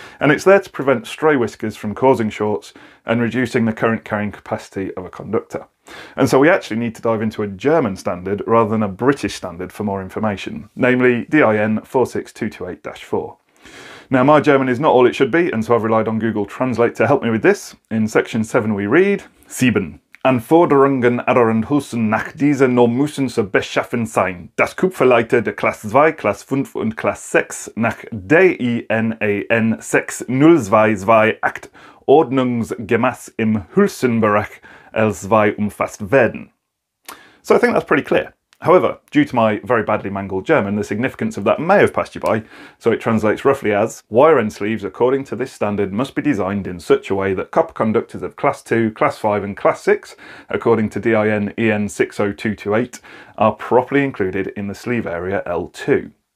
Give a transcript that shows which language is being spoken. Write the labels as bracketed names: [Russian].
[English] And it's there to prevent stray whiskers from causing shorts and reducing the current carrying capacity of a conductor. And so we actually need to dive into a German standard rather than a British standard for more information, namely DIN 46228-4. Now, my German is not all it should be, and so I've relied on Google Translate to help me with this. In section 7 we read, [German] Sieben. Anforderungen aller Hülsen nach dieser Norm müssen zu beschaffen sein. Das Kupferleiter der Klasse 2, Klasse 5 und Klasse 6 nach DINAN 60228 ordnungsgemäß im Hülsenbereich L2 umfasst werden. [English] So I think that's pretty clear. However, due to my very badly mangled German, the significance of that may have passed you by, so it translates roughly as, wire end sleeves according to this standard must be designed in such a way that copper conductors of class 2, class 5 and class 6, according to DIN EN 60228, are properly included in the sleeve area L2.